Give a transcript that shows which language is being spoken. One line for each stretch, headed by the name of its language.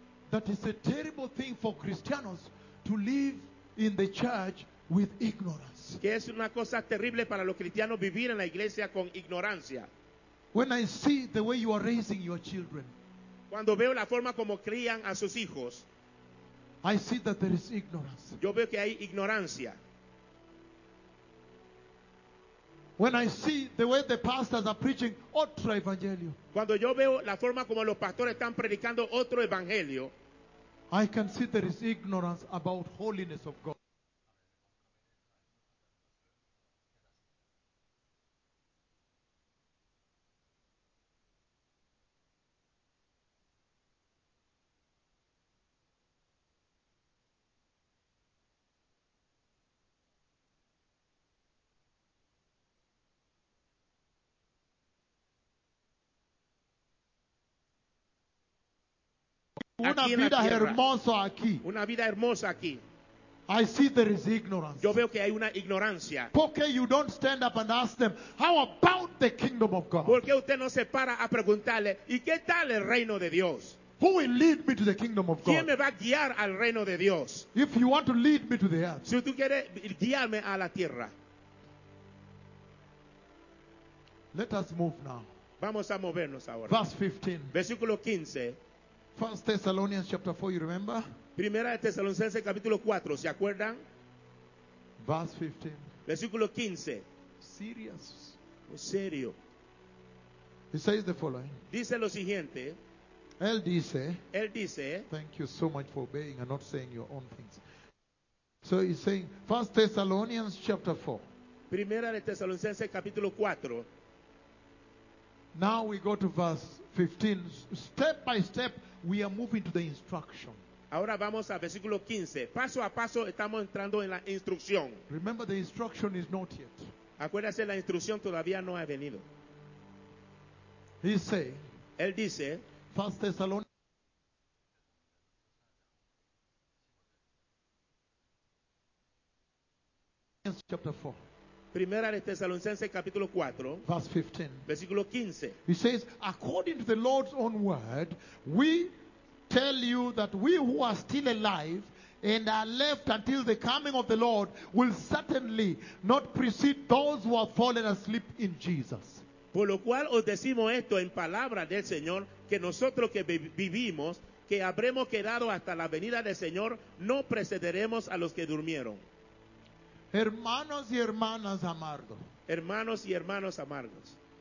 English: that is a terrible thing for Christians to live in the church with ignorance.
Spanish: Que es una cosa terrible para los cristianos vivir en la iglesia con ignorancia.
English: When I see the way you are raising your children,
Spanish: cuando veo la forma como crían a sus hijos,
English: I see that there is ignorance.
Spanish: Yo veo que hay ignorancia.
English: When I see the way the pastors are preaching
Spanish: otro evangelio, cuando yo veo la forma como los pastores están predicando otro evangelio,
English: I can see there is ignorance about holiness of God.
Spanish: Aquí una vida hermosa aquí. Una vida hermosa aquí.
English: I see there is ignorance.
Spanish: Yo veo que hay una ignorancia. Porque
English: you don't stand up and ask them, how about the kingdom of God?
Spanish: Porque usted no se para a preguntarle, ¿y qué tal el reino de Dios?
English: Who will lead me to the kingdom of God?
Spanish: ¿Quién me va a guiar al reino de Dios?
English: If you want to lead me to the earth.
Spanish: Si tú quieres guiarme a la tierra.
English: Let us move now.
Spanish: Vamos a movernos ahora.
English: Verse 15.
Spanish: Versículo 15.
English: 1 Thessalonians chapter 4, you remember?
Spanish: Primera de Tesalonicenses capítulo 4, ¿se acuerdan?
English: Verse 15.
Spanish: Versículo 15.
English: Serious.
Spanish: ¿En serio?
English: He says the following.
Spanish: Dice lo siguiente. Él dice.
English: Thank you so much for obeying and not saying your own things. So he's saying, First Thessalonians chapter 4.
Spanish: Primera de Tesalonicenses capítulo 4.
English: Now we go to verse 15. Step by step, we are moving to the instruction.
Spanish: Ahora vamos al versículo 15. Paso a paso estamos entrando en la instrucción.
English: Remember, the instruction is not yet.
Spanish: Acuérdase, la instrucción todavía no ha venido.
English: He say,
Spanish: él dice,
English: First Thessalonians. Chapter 4.
Spanish: Primera de Tesalonicenses capítulo 4.
English: Verse 15.
Spanish: Versículo 15.
English: He says, according to the Lord's own word, we tell you that we who are still alive and are left until the coming of the Lord will certainly not precede those who have fallen asleep in Jesus.
Spanish: Por lo cual os decimos esto en palabra del Señor, que nosotros que vivimos, que habremos quedado hasta la venida del Señor, no precederemos a los que durmieron. Hermanos y hermanas amargos. Hermanos y hermanos amargos.